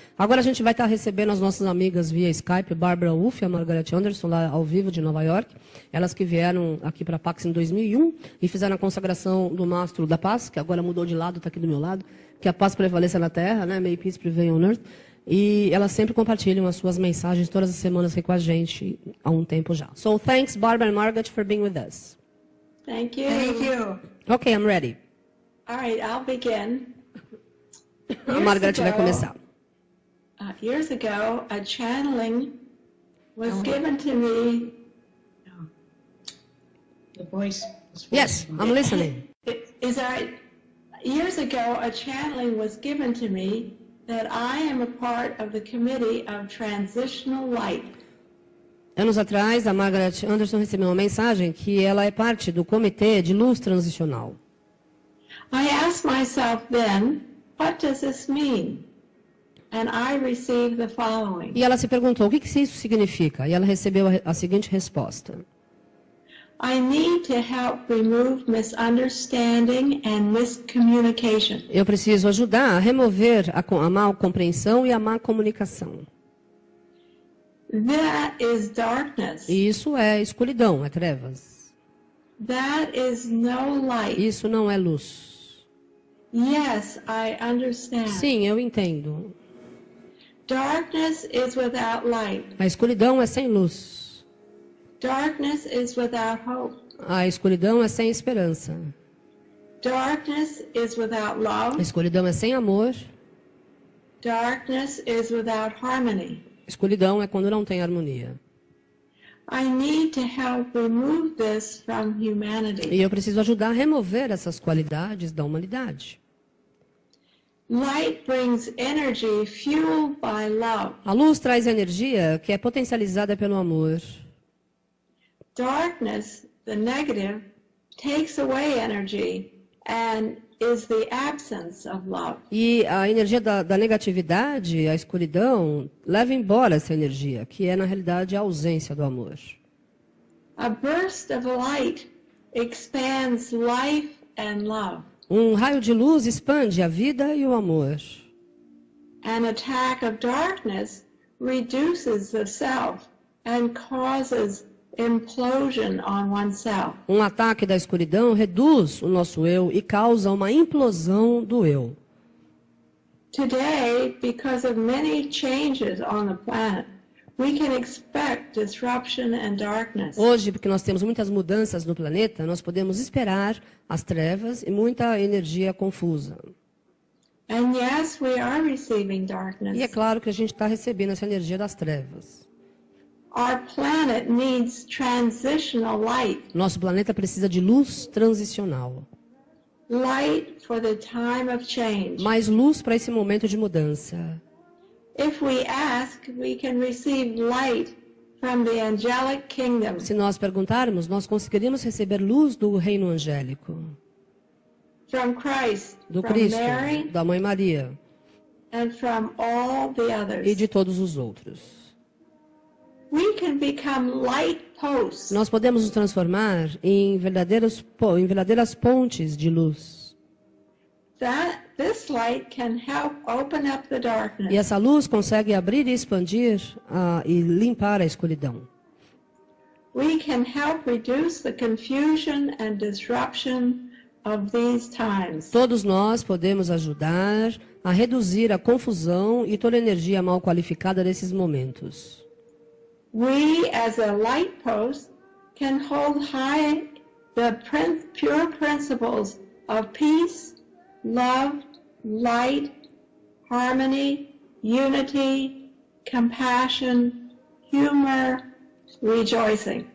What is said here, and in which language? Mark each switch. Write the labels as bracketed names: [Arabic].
[Portuguese] Agora a gente vai estar recebendo as nossas amigas via Skype, Barbara Wolf e a Margaret Anderson, lá ao vivo de Nova York. Elas que vieram aqui para a Pax em 2001 e fizeram a consagração do Mastro da Paz, que agora mudou de lado, está aqui do meu lado. Que a paz prevaleça na Terra, né? [English] May peace prevail on Earth. [Portuguese] E elas sempre compartilham as suas mensagens todas as semanas aqui com a gente há um tempo já. [English] So, thanks, Barbara and Margaret, for being with us. Thank you. Thank you. Okay, I'm ready. All right, I'll begin. [Portuguese] A Margaret vai começar. [English] Years ago, a channeling was given to me... The voice. Yes, I'm listening. Is that right? Years ago, a channeling was given to me that I am a part of the Committee of Transitional Light. [Portuguese] Anos atrás, a Margaret Anderson recebeu uma mensagem que ela é parte do Comitê de Luz Transicional. [English] I asked myself then, what does this mean? And I received the following. [Portuguese] E ela se perguntou, o que isso significa? E ela recebeu a seguinte resposta. [English] I need to help remove misunderstanding and miscommunication. [Portuguese] Eu preciso ajudar a remover a má compreensão e a má comunicação. [English] That is darkness. [Portuguese] Isso é escuridão, é trevas. [English] That is no light. [Portuguese] Isso não é luz. [English] Yes, I understand. [Portuguese] Sim, eu entendo. [English] Darkness is without light. [Portuguese] A escuridão é sem luz. [English] Darkness is without hope. [Portuguese] A escuridão é sem esperança. [English] Darkness is without love. [Portuguese] A escuridão é sem amor. [English] Darkness is without harmony. [Portuguese] Escuridão é quando não tem harmonia. [English] I need to help remove this from humanity. [Portuguese] E eu preciso ajudar a remover essas qualidades da humanidade. [English] Light brings energy fueled by love. [Portuguese] A luz traz energia que é potencializada pelo amor. [English] Darkness, the negative, takes away energy and is the absence of love. [Portuguese] E a energia da negatividade, a escuridão, leva embora essa energia, que é na realidade a ausência do amor. [English] A burst of light expands life and love. [Portuguese] Um raio de luz expande a vida e o amor. [English] An attack of darkness reduces the self and causes implosion on oneself. [Portuguese] Um ataque da escuridão reduz o nosso eu e causa uma implosão do eu. [English] Today, because of many changes on the planet, we can expect disruption and darkness. [Portuguese] Hoje, porque nós temos muitas mudanças no planeta, nós podemos esperar as trevas e muita energia confusa. [English] And yes, we are receiving darkness. [Portuguese] E é claro que a gente está recebendo essa energia das trevas. [English] Our planet needs transitional light. [Portuguese] Nosso planeta precisa de luz transicional. [English] Light for the time of change. [Portuguese] Mais luz para esse momento de mudança. [English] If we ask, we can receive light from the angelic kingdom. [Portuguese] Se nós perguntarmos, nós conseguiríamos receber luz do reino angélico. [English] From Christ, [Portuguese] do Cristo, [English] from Mary, [Portuguese] da Mãe Maria, [English] and from all the others. [Portuguese] E de todos os outros. [English] We can become light posts. [Portuguese] Nós podemos nos transformar em verdadeiras pontes de luz. [English] This light can help open up the darkness. [Portuguese] E essa luz consegue abrir e expandir e limpar a escuridão. [English] We can help reduce the confusion and disruption of these times. [Portuguese] Todos nós podemos ajudar a reduzir a confusão e toda a energia mal qualificada nesses momentos. [English] We, as a light post, can hold high the pure principles of peace, love, light, harmony, unity, compassion, humor, rejoicing.